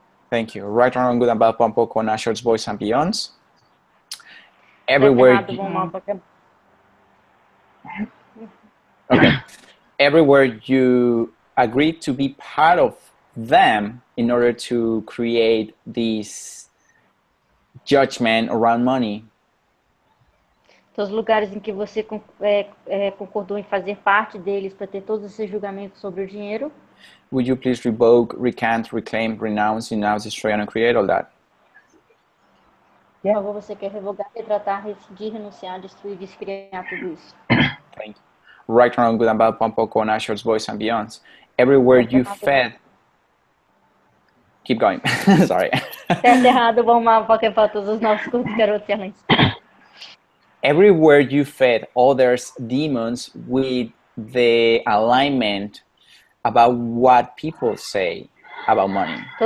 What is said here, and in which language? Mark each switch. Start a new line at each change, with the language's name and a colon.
English: Thank you. Right on, good and bad, pompo, con ashorts, boys and beyonds. Everywhere. Okay. Everywhere you agreed to be part of them in order to create this judgment around money.
Portuguese: Todos os lugares em que você concordou em fazer parte deles para ter todos esses julgamentos sobre o dinheiro.
English: Would you please revoke, recant, reclaim, renounce, denounce, destroy, and create all that? Yeah.
Portuguese: Por favor, você quer revogar, retratar, rescindir, renunciar, destruir, descriar tudo isso.
English: Thank you. Right, wrong, good and bad, pompo, con, ashorts, voice, and beyonds. Everywhere you fed. Keep going. Sorry. Everywhere you fed others, demons, with the alignment about what people say about money.